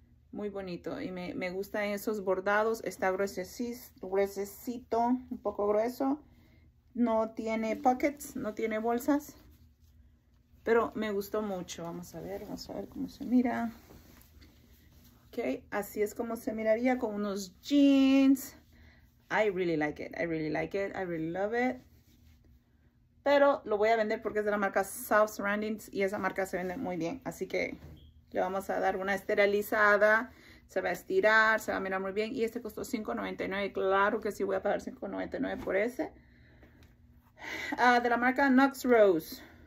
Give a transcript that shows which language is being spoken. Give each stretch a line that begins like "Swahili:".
Spanish: Muy bonito y me gustan esos bordados. Está gruesecito, un poco grueso. No tiene pockets, no tiene bolsas. Pero me gustó mucho. Vamos a ver cómo se mira. Ok, así es como se miraría con unos jeans.
English: I really like it, I really like it, I really love it.
Spanish: Pero lo voy a vender porque es de la marca South Surroundings y esa marca se vende muy bien. Así que le vamos a dar una esterilizada. Se va a estirar, se va a mirar muy bien. Y este costó $5.99. Claro que sí, voy a pagar $5.99 por ese. De la marca Knox Rose.